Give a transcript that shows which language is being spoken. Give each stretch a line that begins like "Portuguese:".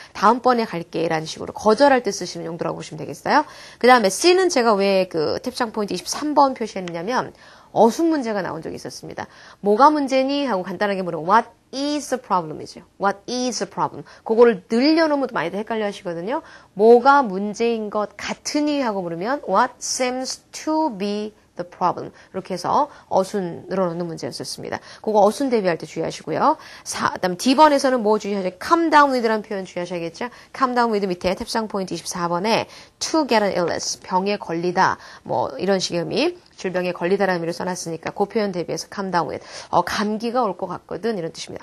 Korean: 다음번에 갈게라는 식으로 거절할 때 쓰시는 용도라고 보시면 되겠어요. 그 다음에 C는 제가 왜그 탭창 포인트 23번 표시했냐면, 어순 문제가 나온 적이 있었습니다. 뭐가 문제니? 하고 간단하게 물어보면
English: What is the problem
Korean: 이죠.
English: What is the problem?
Korean: 그거를 늘려놓으면 많이들 헷갈려 하시거든요. 뭐가 문제인 것 같으니? 하고 물으면
English: What seems to be the problem?
Korean: 이렇게 해서 어순 늘어놓는 문제였었습니다. 그거 어순 대비할 때 주의하시고요. 4, 그다음 D번에서는 뭐 주의하셔야죠? Come down with라는 표현 주의하셔야겠죠? Come down with 밑에 탭상 포인트 24번에
English: To get an illness,
Korean: 병에 걸리다, 뭐 이런 식의 의미. 질병에 걸리다라는 의미를 써놨으니까 그 표현 대비해서 come down with. 감기가 올것 같거든 이런 뜻입니다.